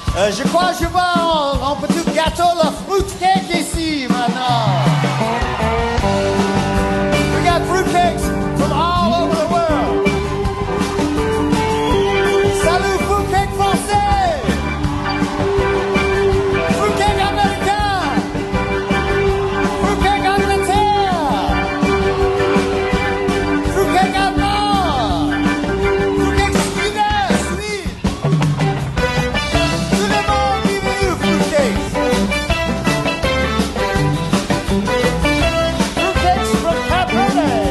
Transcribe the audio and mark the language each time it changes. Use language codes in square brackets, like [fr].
[fr] Je crois que je vois un petit gâteau, le fruitcake ici maintenant. [en] We got fruitcakes from all over the world. [fr] Salut, fruitcake français! Fruitcake américain! Fruitcake angleterre! Fruitcake allemand! Fruitcake suédois! Suisse! Tout le monde qui veut du fruitcake! [en] Fruitcakes from Cap Verde!